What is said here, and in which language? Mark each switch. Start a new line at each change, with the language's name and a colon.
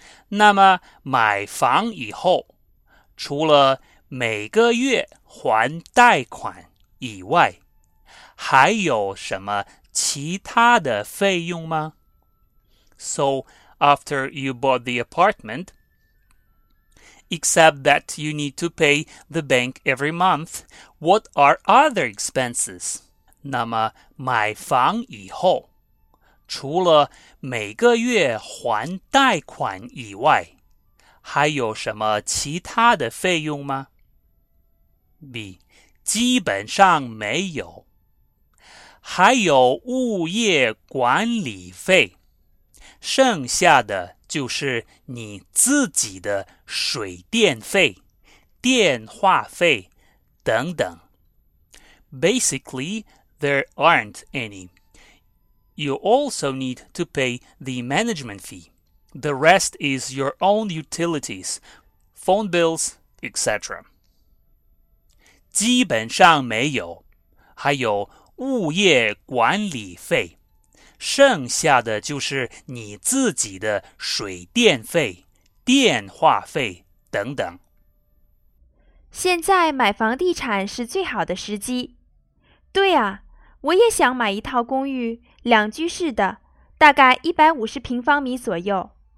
Chinese: 那么买房以后，除了每个月还贷款以外，还有什么其他的费用吗?
English: So, after you bought the apartment, except that you need to pay the bank every month, what are other expenses?
Chinese: 那么买房以后,除了每个月还贷款以外,还有什么其他的费用吗? B. 基本上没有。还有物业管理费，剩下的就是你自己的水电费、电话费等等。
English: Basically, there aren't any. You also need to pay the management fee. The rest is your own utilities, phone bills, etc.
Chinese: 基本上没有，还有物业管理费。剩下的就是你自己的水电费、电话费等等。现在买房地产是最好的时机。对啊，我也想买一套公寓，两居室的，大概150平方米左右。